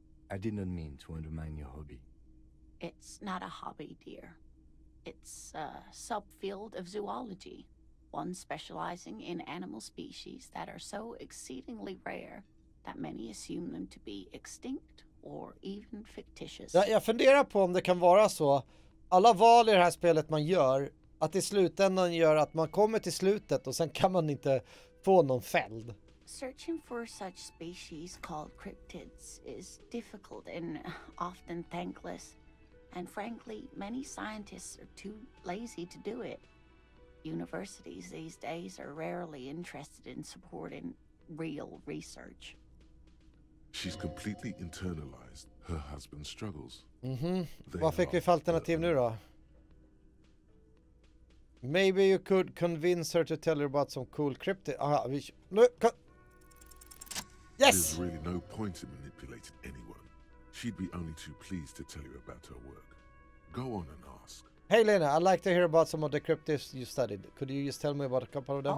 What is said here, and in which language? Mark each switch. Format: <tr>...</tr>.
<en>I did not mean to undermine your hobby. It's not a hobby, dear. It's a subfield of zoology, one specializing in animal species that are so exceedingly rare that many assume them to be extinct or even fictitious.</en> <sv>Jag funderar på om det kan vara så. Alla val i det här spelet man gör, att i slutändan gör att man kommer till slutet och sen kan man inte få någon fälld.</sv> <en>Searching for such species called cryptids is difficult and often thankless. And frankly, many scientists are too lazy to do it. Universities these days are rarely interested in supporting real research. She's completely internalized her husband's struggles.</en> <sv>Vad fick vi för alternativ nu då?</sv> <en>Maybe you could convince her to tell her about some cool cryptid. Yes! There's really no point in manipulating anyone. She'd be only too pleased to tell you about her work. Go on and ask. Hey, Lena, I'd like to hear about some of the cryptids you studied. Could you just tell me about a couple of them?</en>